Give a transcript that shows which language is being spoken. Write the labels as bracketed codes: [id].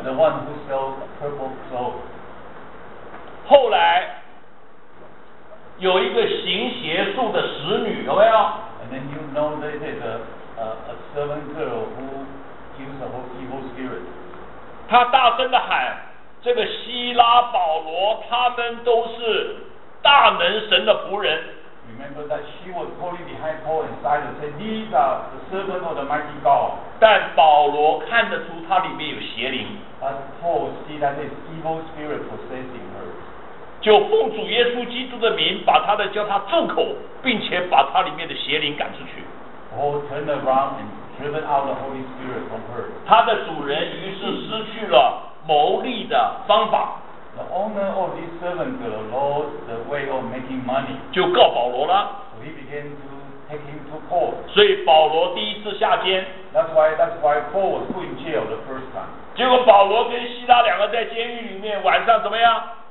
[en] The one who sells purple clothes. [zh] 后来有一个行邪术的使女，有没有？ [en] And then you know that there's a servant girl who gives the whole evil spirit. [zh] 她大声地喊。这个希拉保罗他们都是大能神的仆人。 [en] Remember that she was calling behind Paul and Silas, said, "These are the servants of the mighty God." [zh] 但保罗看得出他里面有邪灵。 [en] But Paul see that this evil spirit possessing her. [zh] 就奉主耶稣基督的名，把他的叫他住口，并且把他里面的邪灵赶出去。 [en] Paul turned around and driven out the Holy Spirit from her. [zh] 他的主人于是失去了。牟利的方法。 [en] The owner of this servant girl lost the way of making money. [zh] 就告保罗了。 [en] So he began to take him to court. [zh] 所以保罗第一次下监。 [en] That's why Paul was put in jail the first time. [zh] 结果保罗跟希拉两个在监狱里面晚上怎么样？